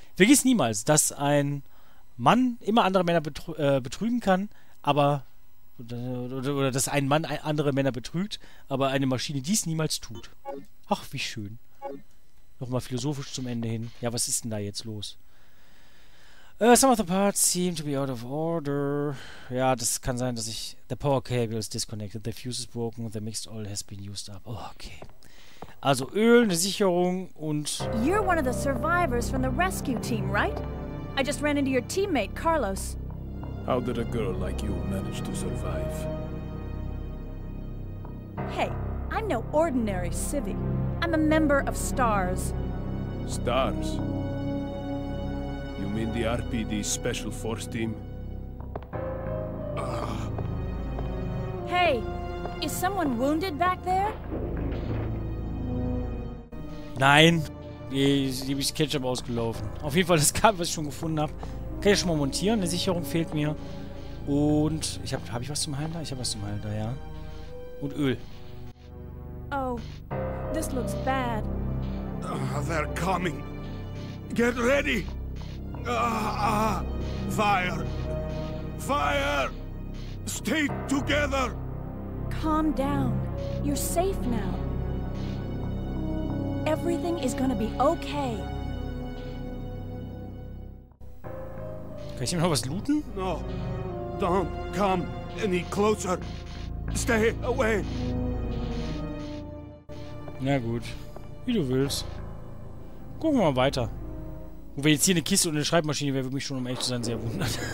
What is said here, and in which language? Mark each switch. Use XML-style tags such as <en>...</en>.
<de>Vergiss niemals, dass ein Mann immer andere Männer betrügen kann, aber oder dass ein Mann andere Männer betrügt, aber eine Maschine dies niemals tut. Ach, wie schön. Nochmal philosophisch zum Ende hin. Ja, was ist denn da jetzt los?</de> <en>Some of the parts seem to be out of order.</en> <de>Ja, das kann sein, dass ich...</de> <en>The power cable is disconnected, the fuse is broken, the mixed oil has been used up. Oh, okay.</en> <de>Also Öl, eine Sicherung und...</de> <en>You're one of the survivors from the rescue team, right? I just ran into your teammate, Carlos. How did a girl like you manage to survive? Hey, I'm no ordinary civvy. I'm a member of STARS. STARS? You mean the RPD Special Force Team? Ugh. Hey, is someone wounded back there?</en> <de>Nein, die habe ich Ketchup ausgelaufen. Auf jeden Fall das Kabel, was ich schon gefunden habe. Kann ich schon mal montieren, eine Sicherung fehlt mir. Und ich habe ich was zum Heilen da? Ich habe was zum Heilen da, ja. Und Öl.</de> <en>Oh, this looks bad. They're coming. Get ready! Fire! Fire! Stay together! Calm down. You're safe now. Everything is gonna be okay.</en> <de>Kann ich hier noch was looten?</de> <en>No. Don't come any closer. Stay away.</en> <de>Na gut. Wie du willst. Gucken wir mal weiter. Und wenn jetzt hier eine Kiste und eine Schreibmaschine wäre, würde mich schon, um ehrlich zu sein, sehr wundern.</de>